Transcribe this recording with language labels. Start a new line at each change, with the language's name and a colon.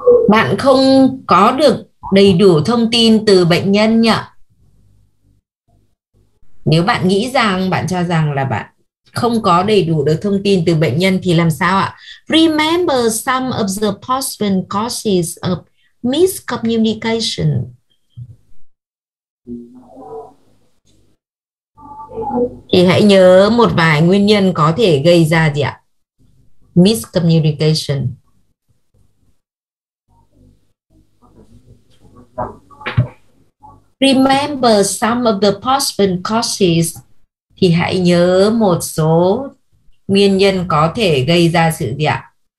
Vietnamese: Bạn không có được đầy đủ thông tin từ bệnh nhân nhỉ? Nếu bạn nghĩ rằng, bạn cho rằng là bạn không có đầy đủ được thông tin từ bệnh nhân thì làm sao ạ?
English: Remember some of the possible causes of miscommunication.
Vietnamese: Thì hãy nhớ một vài nguyên nhân có thể gây ra gì ạ?
English: Miscommunication. Remember some of the possible causes.
Vietnamese: Thì hãy nhớ một số nguyên nhân có thể gây ra sự gì ạ?